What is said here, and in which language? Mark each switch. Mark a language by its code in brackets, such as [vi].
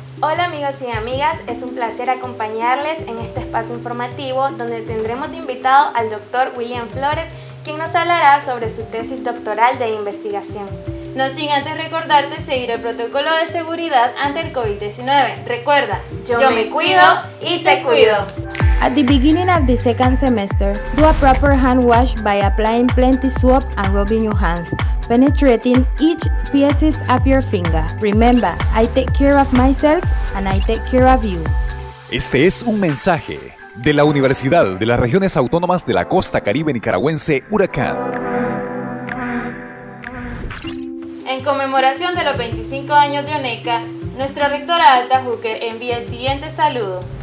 [es] Hola amigos y amigas, es un placer acompañarles en este espacio informativo donde tendremos de invitado al doctor William Flores, quien nos hablará sobre su tesis doctoral de investigación. No sin antes recordarte seguir el protocolo de seguridad ante el COVID-19. Recuerda, yo me cuido y te cuido. [en] At the beginning of the second semester, do a proper hand wash by applying plenty soap and rubbing your hands, penetrating each species of your finger. Remember, I take care of myself and I take care of you. [es] Este es un mensaje de la Universidad de las Regiones Autónomas de la Costa Caribe Nicaragüense, Huracán. En conmemoración de los 25 años de ONECA, nuestra rectora Alta Hooker envía el siguiente saludo.